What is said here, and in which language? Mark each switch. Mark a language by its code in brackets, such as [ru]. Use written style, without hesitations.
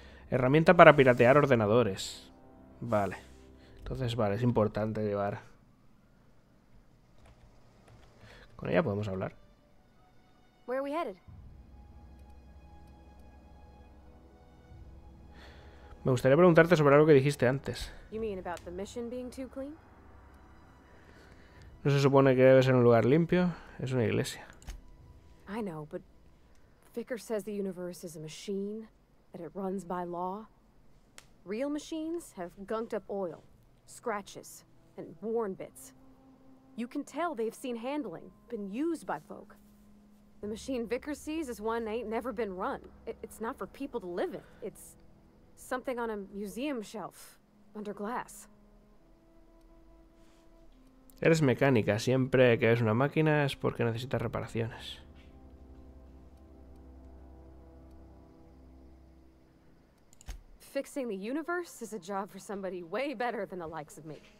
[es] Herramienta para piratear ordenadores. Vale. Entonces, vale, es importante llevar. Con ella podemos hablar. [en] Where are we headed? [es] Me gustaría preguntarte sobre algo que dijiste antes. [en] You mean about the mission being too clean? [es] ¿No se supone que debe ser un lugar limpio? Es una iglesia. [en] I know, but Vicker says the universe is a machine, that it runs by law. Real machines have gunked up oil, scratches, and worn bits. You can tell they've seen handling, been used by folk. The machine Vicker sees is one ain't never been run. It's not for people to live in. It's something on a museum shelf, under glass. [es] Eres mecánica. Siempre que ves una máquina es porque necesitas reparaciones. [en] Fixing the universe is a job for somebody way better than the likes of me.